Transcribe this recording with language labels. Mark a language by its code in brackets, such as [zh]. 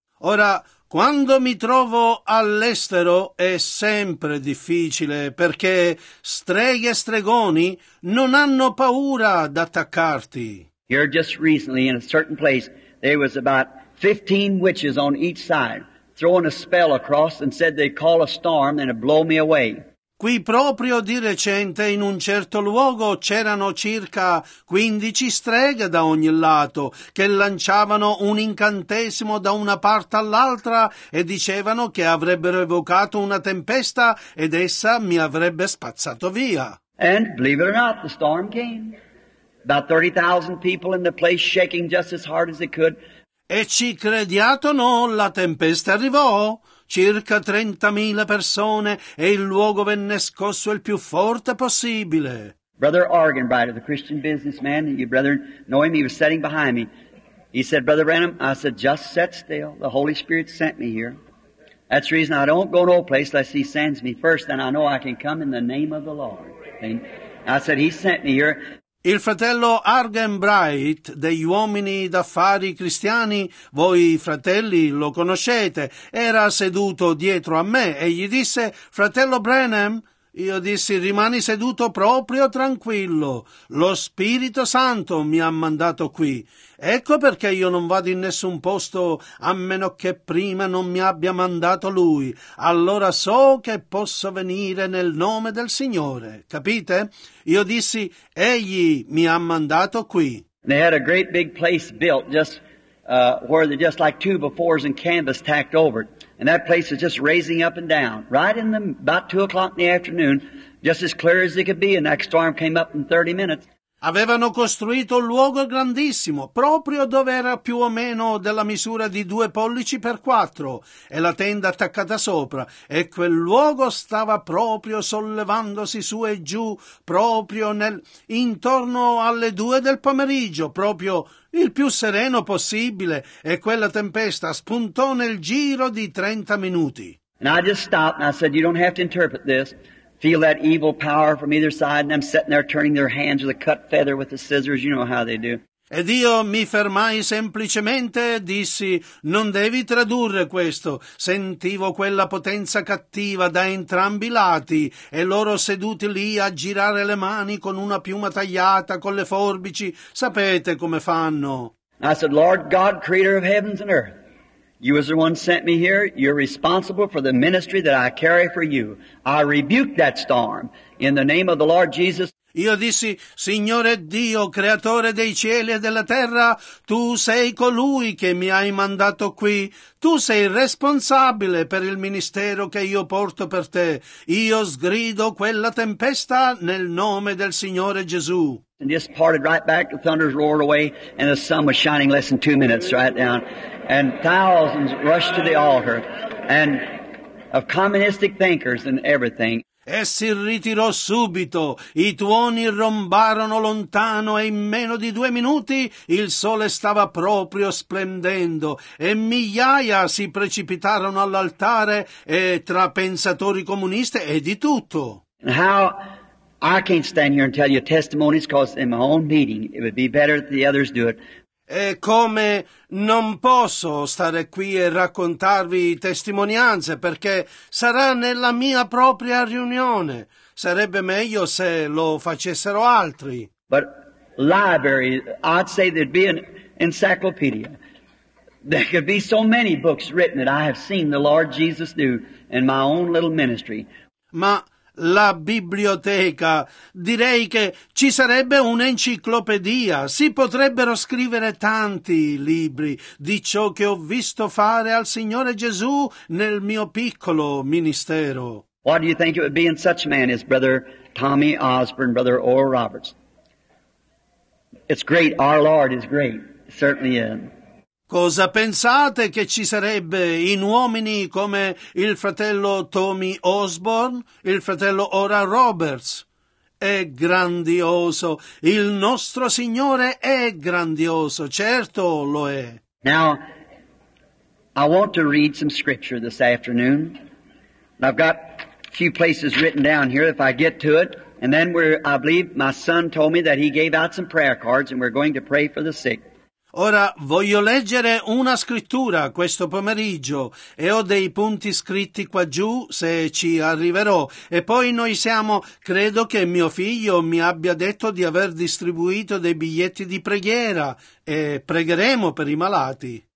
[it] Ora, quando mi trovo all'estero è sempre difficile, perché streghe e stregoni non hanno paura ad attaccarti. [en] Here just recently in a certain place there was about 15 witches on each side throwing a spell across and said they'd call a storm and it'd blow me away. [it] Qui proprio di recente in un certo luogo c'erano circa 15 streghe da ogni lato che lanciavano un incantesimo da una parte all'altra e dicevano che avrebbero evocato una tempesta ed essa mi avrebbe spazzato via. [en] And believe it or not, the storm came. About 30,000 people in the place shaking just as hard as they could. [it] E ci crediate o no, la tempesta arrivò. Circa 30,000 persone e il luogo venne scosso il più forte possibile. [en] Brother Argenbright, the Christian businessman, you brethren know him, he was sitting behind me. He said, Brother Branham, I said, just set still. The Holy Spirit sent me here. That's the reason I don't go no place unless he sends me first, then I know I can come in the name of the Lord. And I said, he sent me here. [it] Il fratello Argenbright, degli uomini d'affari cristiani, voi fratelli lo conoscete, era seduto dietro a me e gli disse, fratello Branham, io dissi, rimani seduto proprio tranquillo, lo Spirito Santo mi ha mandato qui. Ecco perché io non vado in nessun posto a meno che prima non mi abbia mandato lui. Allora so che posso venire nel nome del Signore. Capite? Io dissi, egli mi ha mandato qui. [en] They had a great big place built just where they just like two befores and canvas tacked over it. And that place is just raising up and down. Right in the about 2 o'clock in the afternoon, just as clear as it could be, and that storm came up in 30 minutes. [it] Avevano costruito un luogo grandissimo, proprio dove era più o meno della misura di 2 pollici per 4, e la tenda attaccata sopra, e quel luogo stava proprio sollevandosi su e giù, proprio nel intorno alle 2 del pomeriggio, proprio il più sereno possibile, e quella tempesta spuntò nel giro di 30 minuti. [en] And I just stopped and I said, you don't have to interpret this. Feel that evil power from either side, and I'm sitting there turning their hands with a cut feather with the scissors, you know how they do. [it] Ed io mi fermai semplicemente e dissi, non devi tradurre questo. Sentivo quella potenza cattiva da entrambi i lati e loro seduti lì a girare le mani con una piuma tagliata, con le forbici, sapete come fanno. [en] I said, Lord God, creator of heavens and earth. You as the one sent me here, you're responsible for the ministry that I carry for you. I rebuke that storm in the name of the Lord Jesus. [it] Io dissi, Signore Dio, creatore dei cieli e della terra, tu sei colui che mi hai mandato qui. Tu sei responsabile per il ministero che io porto per te. Io sgrido quella tempesta nel nome del Signore Gesù. [en] And just parted right back, the thunders roared away, and the sun was shining less than 2 minutes right down. And thousands rushed to the altar, and of communistic thinkers and everything. [it] E si ritirò subito, i tuoni rombarono lontano e in meno di 2 minuti il sole stava proprio splendendo e migliaia si precipitarono all'altare e tra pensatori comunisti e di tutto. [en] How I can't stand here and tell you testimonies because in my own meeting it would be better that the others do it. [it] E come non posso stare qui e raccontarvi testimonianze, perché sarà nella mia propria riunione. Sarebbe meglio se lo facessero altri. [en] But library, I'd say there'd be an encyclopedia. There could be so many books written that I have seen the Lord Jesus do in my own little ministry. [it] Ma la biblioteca, direi che ci sarebbe un'enciclopedia, si potrebbero scrivere tanti libri di ciò che ho visto fare al Signore Gesù nel mio piccolo ministero. [en] What do you think it would be in such men as Brother Tommy Osborne, Brother Oral Roberts? It's great, our Lord is great, certainly is. [it] Cosa pensate che ci sarebbe in uomini come il fratello Tommy Osborne, il fratello Oral Roberts? è grandioso. Il nostro Signore è grandioso, certo lo è. [en] Now, I want to read some scripture this afternoon. I've got a few places written down here if I get to it. And then I believe my son told me that he gave out some prayer cards and we're going to pray for the sick. [it] Ora voglio leggere una scrittura questo pomeriggio e ho dei punti scritti qua giù se ci arriverò. E poi credo che mio figlio mi abbia detto di aver distribuito dei biglietti di preghiera e pregheremo per i malati.